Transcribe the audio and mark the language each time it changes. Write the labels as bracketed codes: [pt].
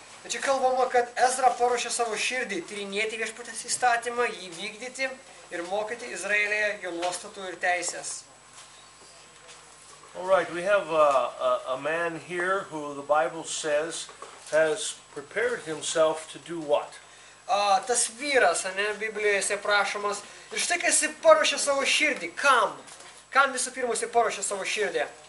[lt] Čia kalbama, kad Ezra paruošė savo širdį tyrinėti viešpaties įstatymą, jį vykdyti ir mokyti Izraelyje jo nuostatų ir teisės. [en] All right, we have a man here who the Bible says has prepared himself to do what? [lt] Tas vyras, ane, Biblijoje jisai prašomas, ir štai kai jisai paruošė savo širdį, kam? Kam visų pirma jisai paruošė savo širdį?